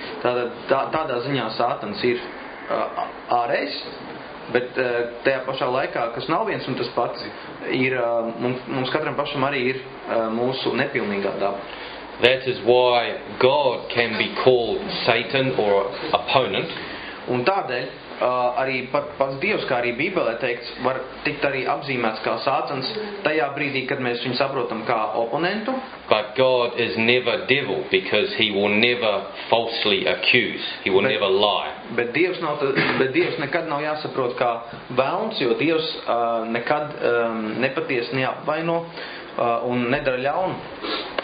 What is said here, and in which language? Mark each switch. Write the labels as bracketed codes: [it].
[lv] Tādā ziņā Sātans ir ārējs, bet tajā pašā laikā, kas nav viens un tas pats, ir, mums katram pašam arī ir mūsu nepilnīgā daba. [en] That is why God can be called Satan or opponent. [lv] Un tādēļ, arī pats Dievs, kā arī Bībelē teikts, var tikt arī apzīmēts kā Sātans tajā brīdī, kad mēs viņu saprotam kā oponentu. [en] But God is never devil because he will never falsely accuse. He will never lie. [lv] Bet Dievs, nav, bet Dievs nekad nav jāsaprot kā velns, jo Dievs nekad nepaties neapvaino un nedara ļaunu.